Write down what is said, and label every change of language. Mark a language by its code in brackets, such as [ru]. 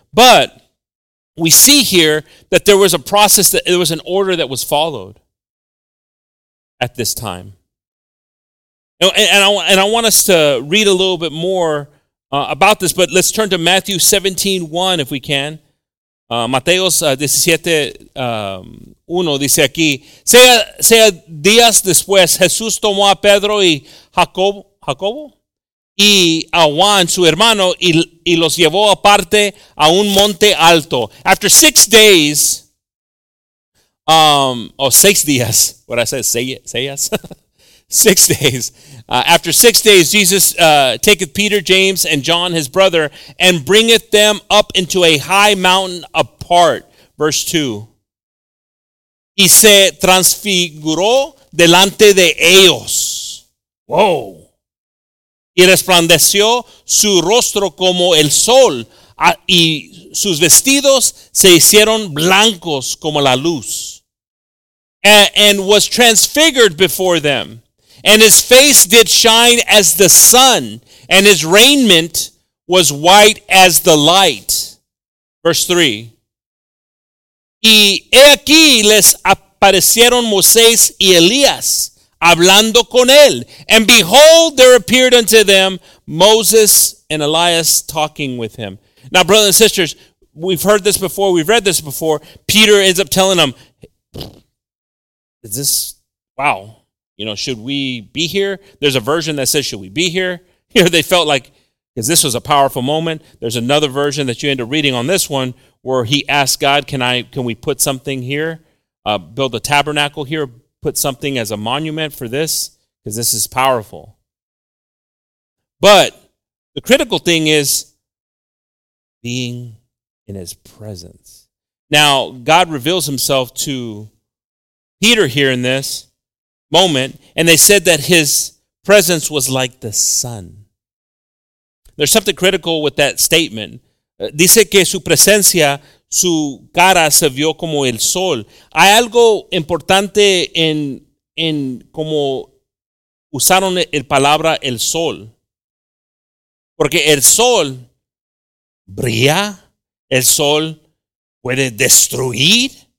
[en] But we see here that there was a process, that there was an order that was followed at this time. And I want us to read a little bit more about this, but let's turn to Matthew 17:1 if we can. [es] Mateos 17:1 dice aquí, sea días después, Jesús tomó a Pedro y Jacobo y a Juan, su hermano, y los llevó aparte a un monte alto. [en] After 6 days, after 6 days, Jesus taketh Peter, James, and John, his brother, and bringeth them up into a high mountain apart. Verse 2. [es] Y se transfiguró delante de ellos. Whoa. Y resplandeció su rostro como el sol, y sus vestidos se hicieron blancos como la luz. [en] And was transfigured before them. And his face did shine as the sun, and his raiment was white as the light. Verse 3. [es] Y he aquí les aparecieron Moisés y Elías hablando con él. [en] And behold, there appeared unto them Moses and Elias talking with him. Now, brothers and sisters, we've heard this before. We've read this before. Peter ends up telling them, is this, wow, you know, should we be here? There's a version that says, should we be here? You know, they felt like, because this was a powerful moment. There's another version that you end up reading on this one where he asked God, can we put something here, build a tabernacle here, put something as a monument for this, because this is powerful. But the critical thing is being in his presence. Now, God reveals himself to Peter here in this moment, and they said that his presence was like the sun. There's something critical with that statement. [es] Dice que su presencia, su cara se vio como el sol. Hay algo importante en como usaron el palabra el sol. Porque el sol brilla, el sol puede destruir.